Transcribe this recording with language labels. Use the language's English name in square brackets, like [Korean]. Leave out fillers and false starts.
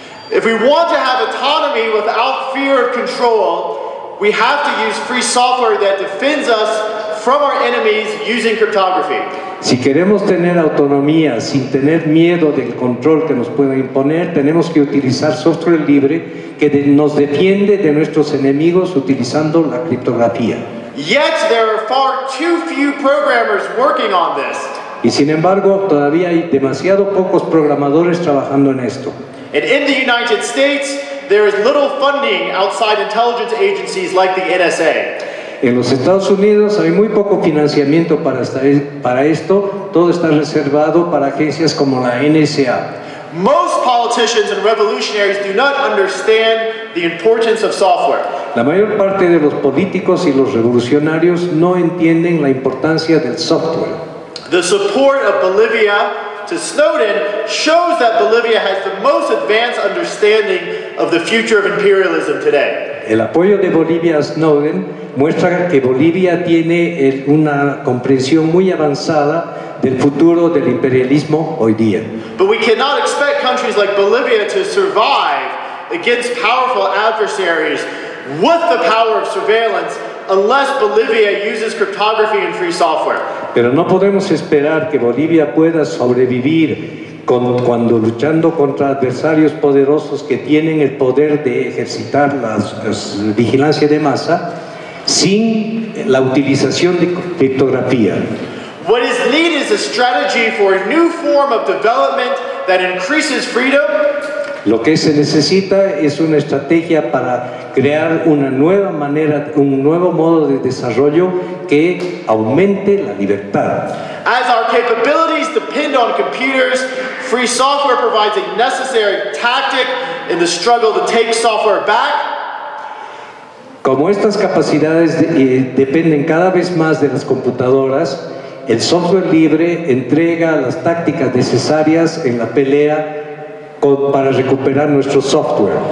[English] If we want to have autonomy without fear of control, we have to use free software that defends us from our enemies using cryptography. [Spanish] Si queremos tener autonomía sin tener miedo del control que nos pueden imponer, tenemos que utilizar software libre que nos defiende de nuestros enemigos utilizando la criptografía. [English] Yet there are far too few programmers working on this. [Spanish] Y sin embargo, todavía hay demasiado pocos programadores trabajando en esto. [English] And in the United States, there is little funding outside intelligence agencies like the NSA. [Spanish] En los Estados Unidos hay muy poco financiamiento para esto. Todo está reservado para agencias como la NSA. [English] Most politicians and revolutionaries do not understand the importance of software. [Spanish] La mayor parte de los políticos y los revolucionarios no entienden la importancia del software. [English] The support of Bolivia to Snowden shows that Bolivia has the most advanced understanding of the future of imperialism today. [Spanish] El apoyo de Bolivia a Snowden muestra que Bolivia tiene una comprensión muy avanzada del futuro del imperialismo hoy día. [English] But we cannot expect countries like Bolivia to survive against powerful adversaries with the power of surveillance unless Bolivia uses cryptography and free software. [Spanish] Pero no podemos esperar que Bolivia pueda sobrevivir cuando luchando contra adversarios poderosos que tienen el poder de ejercitar la vigilancia de masa sin la utilización de criptografía. [English] What is needed is a strategy for a new form of development that increases freedom. [Spanish] Lo que se necesita es una estrategia para crear una nueva manera, un nuevo modo de desarrollo que aumente la libertad. [English] As our capabilities depend on computers, free software provides a necessary tactic in the struggle to take software back. [Spanish] Como estas capacidades dependen cada vez más de las computadoras, el software libre entrega las tácticas necesarias en la pelea para recuperar nuestro software.